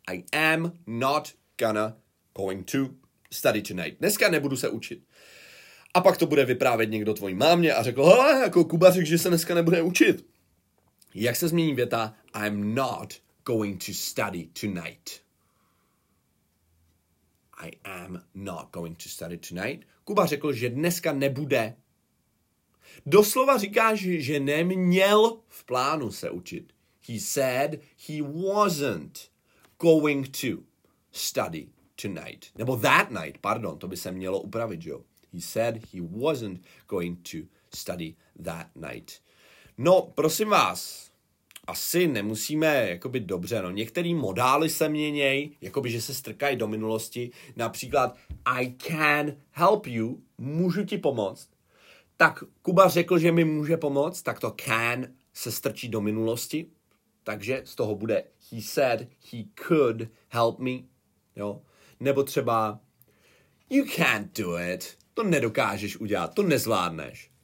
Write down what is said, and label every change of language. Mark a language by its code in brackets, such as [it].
[en] I am not gonna going to study tonight. [cs] Dneska nebudu se učit. A pak to bude vyprávět někdo tvojí mámě a řekl, jako Kuba řekl, že se dneska nebude učit. Jak se změní věta [en] I'm not going to study tonight. I am not going to study tonight. [cs] Kuba řekl, že dneska nebude. Doslova říkáš, že neměl v plánu se učit. [en] He said he wasn't going to study tonight. [cs] Nebo [en] that night, [cs] pardon, to by se mělo upravit, jo. [en] He said he wasn't going to study that night. [cs] No, prosím vás, asi nemusíme, jakoby dobře, no některý modály se měněj, jakoby že se strkají do minulosti, například [en] I can help you, [cs] můžu ti pomoct, tak Kuba řekl, že mi může pomoct, tak to can se strčí do minulosti, takže z toho bude [en] he said he could help me, [cs] jo, nebo třeba [en] you can't do it, [cs] to nedokážeš udělat, to nezvládneš.